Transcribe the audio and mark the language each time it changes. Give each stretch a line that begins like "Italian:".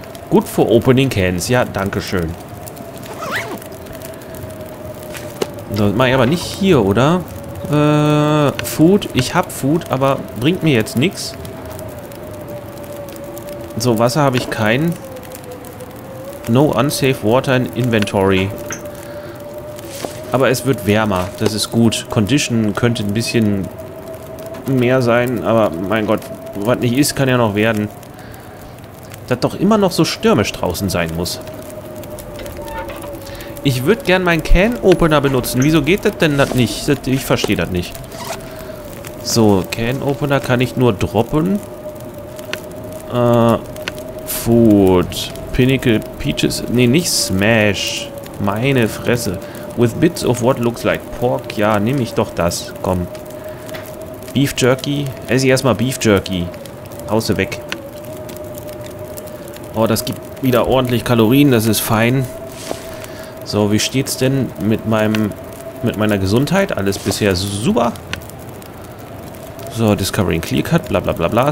English: Good for opening cans.
German: Ja, danke schön. Das mache ich aber nicht hier, oder? Food. Ich habe Food, aber bringt mir jetzt nichts. So, Wasser habe ich keinen.
English: No unsafe water in inventory.
German: Aber es wird wärmer. Das ist gut. Condition könnte ein bisschen mehr sein. Aber mein Gott, was nicht ist, kann ja noch werden. Dass doch immer noch so stürmisch draußen sein muss. Ich würde gern meinen Can-Opener benutzen. Wieso geht das denn das nicht? Dat, ich verstehe das nicht. So, Can-Opener kann ich nur droppen. Food. Pinnacle Peaches. Nee, nicht Smash. Meine Fresse.
English: With bits of what looks like pork.
German: Ja, nehme ich doch das. Komm. Beef Jerky. Esse ich erstmal Beef Jerky. Außer weg. Oh, das gibt wieder ordentlich Kalorien. Das ist fein. So, wie steht's denn mit meinem, mit meiner Gesundheit? Alles bisher super. So, Discovering Clear Cut. Bla bla bla bla.